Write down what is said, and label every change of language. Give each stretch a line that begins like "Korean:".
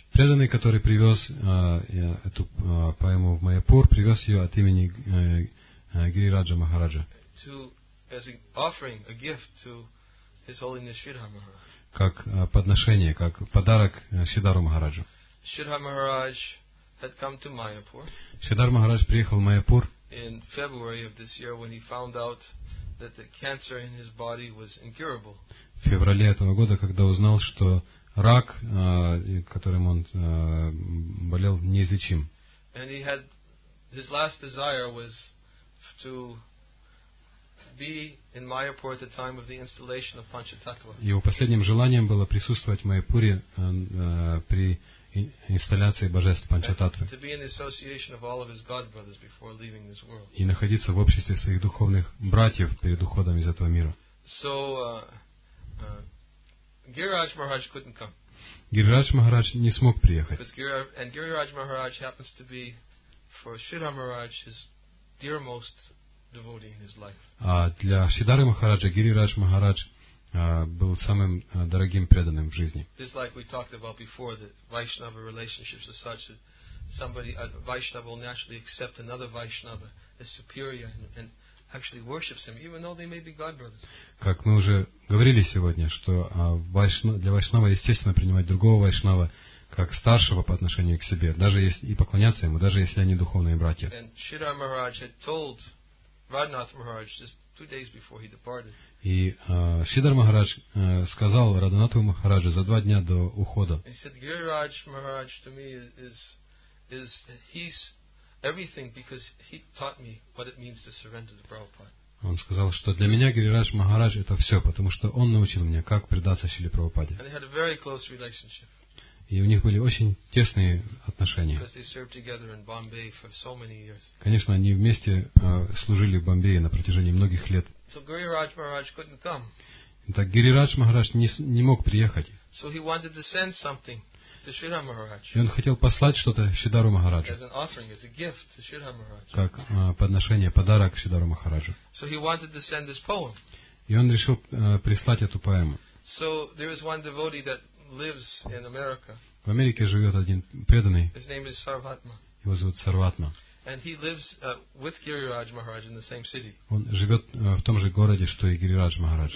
Russian: Преданный, который привез эту поэму в Майяпур, привез ее от имени Гирираджа Махараджа.
English: To as an offering, a gift to His Holiness Shridhar Maharaj.
Russian: Как подношение, как подарок Шридхару Махараджу.
English: Shridhar Maharaj had come to Mayapur.
Russian: Шридхар Махарадж приехал в Майяпур.
English: In February of this year, when he found out that the cancer in his body was incurable.
Russian: В феврале этого года, когда узнал, что рак, которым он болел, неизлечим.
English: And he had his last desire was to be in Mayapur at the time of the installation of Panchatattva.
Russian: Его последним желанием было присутствовать в Майяпуре при инсталляции божеств Панчататвы.
English: To be in the association of all of his god brothers before leaving this world.
Russian: И находиться в обществе своих духовных братьев перед уходом из этого мира.
English: So Giriraj Maharaj couldn't come.
Russian: Гирирадж Махарадж не смог приехать.
English: And Giriraj Maharaj happens to be for Shridhar Maharaj his dearmost devotee in his life.
Russian: А для Шридхары Махараджа Гирирадж Махарадж был самым дорогим преданным в жизни.
English: This like we talked about before, that Vaishnava relationships are such that somebody, a Vaishnava will naturally accept another Vaishnava as superior and actually worships him, even though they may be god brothers.
Russian: Как мы уже говорили сегодня, что для Вайшнава естественно принимать другого Вайшнава как старшего по отношению к себе, даже если и поклоняться ему, даже если они духовные братья.
English: And Shridhar Maharaj had told Radhanath Maharaj just 2 days before he departed.
Russian: И Шридхар Махарадж сказал Радханату Махараджу за 2 дня до ухода.
English: He said, Giriraj Maharaj to me is he's everything because he taught me what it means to surrender to Prabhupada.
Russian: Он сказал, что для меня Гирирадж Махарадж это все, потому что он научил меня, как предаться Шриле Прабхупаде.
English: And they had a very close relationship.
Russian: И у них были очень тесные отношения.
English: Because they served together in Bombay for so many years.
Russian: Конечно, они вместе служили в Бомбее на протяжении многих лет.
English: So Giriraj Maharaj couldn't come.
Russian: Итак, Гирирадж Махарадж не мог приехать.
English: So he wanted to send something to Shridhar Maharaj.
Russian: И он хотел послать что-то Шридхару Махараджу.
English: As an offering, as a gift to Shridhar Maharaj.
Russian: Как подношение, подарок Шридхару Махараджу.
English: So he wanted to send this poem.
Russian: И он решил прислать эту поэму.
English: So there is one devotee that lives in America.
Russian: В Америке живет один преданный.
English: His name is Sarvatma.
Russian: Его зовут Сарватма.
English: And he lives with Giriraj Maharaj in the same city.
Russian: Он живет в том же городе, что и Гирирадж Махарадж.